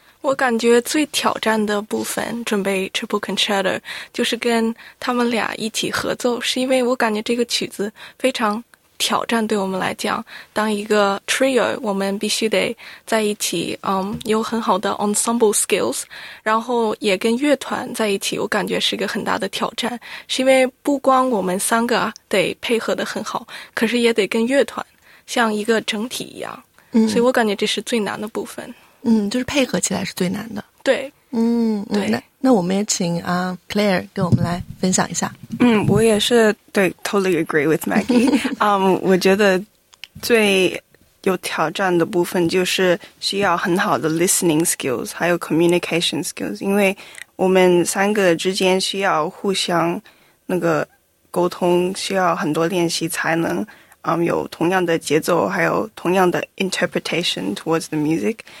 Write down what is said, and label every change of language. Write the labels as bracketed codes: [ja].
[zh] 我感觉最挑战的部分准备 Triple Concerto 就是跟他们俩一起合奏，是因为我感觉这个曲子非常挑战，对我们来讲当一个 trio 我们必须得在一起有很好的 ensemble skills， 然后也跟乐团在一起，我感觉是一个很大的挑战，是因为不光我们三个得配合得很好，可是也得跟乐团像一个整体一样，所以我感觉这是最难的部分。就是配合起来是最难的。对。对。那我们也请Claire 给我们来分享一下。我也是对 [en] totally agree with Maggie. [zh] 我觉得最有挑战的部分就是需要很好的 listening skills, 还有 communication skills, 因为我们三个之间需要互相那个沟通，需要很多练习才能有同样的节奏，还有同样的 [en] interpretation towards the music。